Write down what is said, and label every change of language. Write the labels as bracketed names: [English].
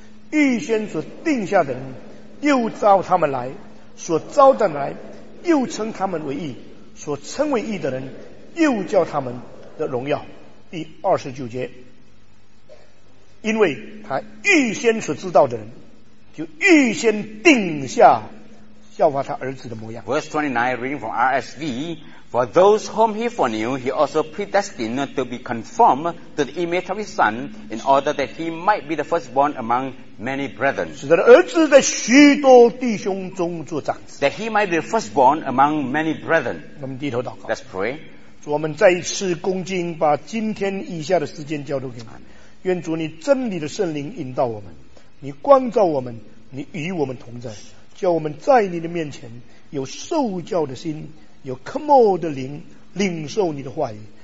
[Chinese] 预先所定下的人，又召他们来，所召的来又称他们为义，所称为义的人又叫他们的荣耀。第二十九节，因为他预先所知道的人，就预先定下效法他儿子的模样。 [English] Verse 29 reading from RSV. For those whom he foreknew, he also predestined to be conformed to the image of his son, in order that he might be the firstborn among many brethren. [Chinese] 使得儿子在许多弟兄中做长子。 [English] That he might be the firstborn among many brethren. [Chinese] 我们低头祷告。 [English] Let's pray. [Chinese] 主，我们再一次恭敬，把今天以下的时间交托给你。愿主你真理的圣灵引导我们，你光照我们，你与我们同在，叫我们在你的面前有受教的心，有渴慕的灵，领受你的话语。